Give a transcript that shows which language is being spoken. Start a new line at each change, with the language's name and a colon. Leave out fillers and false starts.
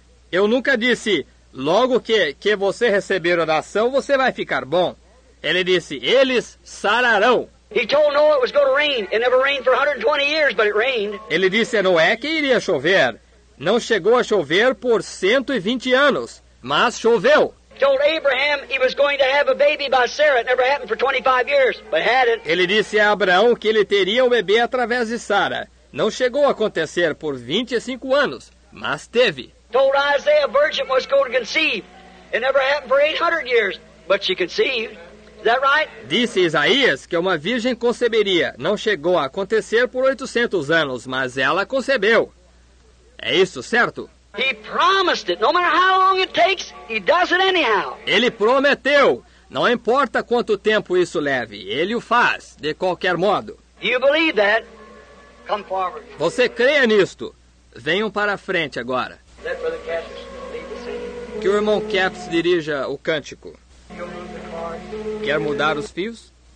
Portuguese: Eu nunca disse logo que você receber oração, você vai ficar bom. Ele disse, eles sararão.
English: He told Noah it was going to rain. It never rained for 120 years, but it rained.
Portuguese: Ele disse a Noé que iria chover. Não chegou a chover por 120 anos, mas choveu.
English: Told Abraham he was going to have a baby by Sarah. It never happened for 25 years, but had it.
Portuguese: Ele disse a Abraão que ele teria um bebê através de Sara. Não chegou a acontecer por 25 anos, mas teve.
English: Told Isaiah a virgin was going to conceive. It never happened for 800 years, but she conceived. Is that right?
Portuguese: Disse Isaías que uma virgem conceberia. Não chegou a acontecer por 800 anos, mas ela concebeu. É isso, certo?
English: He promised it. No matter how long it takes, he does it anyhow.
Portuguese: Ele prometeu. Não importa quanto tempo isso leve, ele o faz, de qualquer modo.
English: You believe that? Come forward.
Portuguese: Você crê nisto? Venham para a frente agora.
English: Let Brother Caps lead the singing.
Portuguese: Que o irmão Caps dirija o cântico. Quer mudar os fios?